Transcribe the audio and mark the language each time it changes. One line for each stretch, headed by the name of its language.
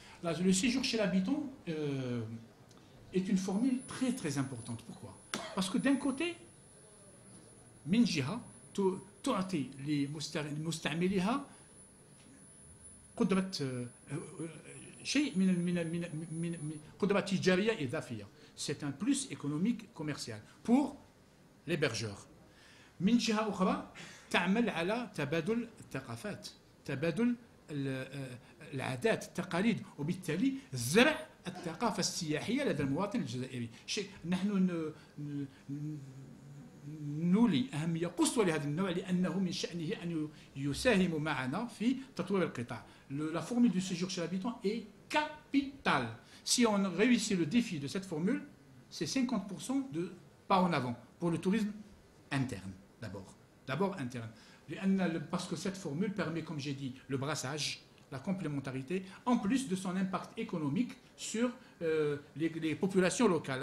French: Le séjour chez l'habitant est une formule très très importante. Pourquoi ? Parce que d'un côté,
Arabic: Minjiha, تعطي لمستعمليها قدرة شيء من من من من قدرة تجارية إضافية.
French: C'est un plus économique commercial pour l'hébergeur.
Arabic: من جهة أخرى تعمل على تبادل الثقافات، تبادل العادات التقاليد، وبالتالي زرع الثقافة السياحية لدى المواطن الجزائري. نحن نولي أهمية قصوى لهذا النوع لأنه من شأنه أن يساهم معنا في تطوير القطاع.
French: La formule du séjour chez l'habitant est capitale. Si on réussit le défi de cette formule, c'est 50% de pas en avant pour le tourisme interne d'abord. D'abord interne. Parce que cette formule permet, comme j'ai dit, le brassage, la complémentarité, en plus de son impact économique sur les populations locales.